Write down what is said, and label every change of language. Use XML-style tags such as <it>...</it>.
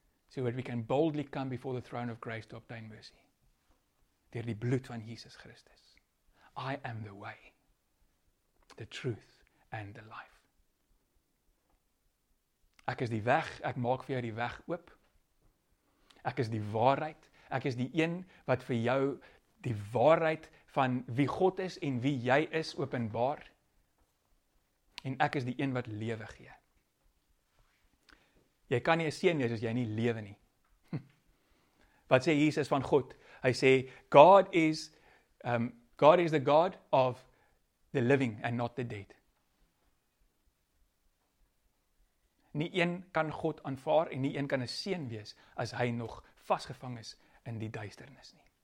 <en>So that we can boldly come before the throne of grace to obtain mercy.</en> <af>Deur die bloed van Jesus Christus.</af> <en>I am the way, the truth and the life.</en> <af>Ek is die weg, ek maak vir jou die weg oop. Ek is die waarheid, ek is die een wat vir jou die waarheid van wie God is en wie jy is openbaar. En ek is die een wat lewe gee. Jy kan nie 'n seun wees as jy nie lewe nie. Wat sê Jesus van God? Hy sê God is</af> <en>the God of the living and not the dead.</en> <af>Nie een kan God aanvaar en nie een kan 'n seun wees as hy nog vasgevang is in die duisternis nie.</af>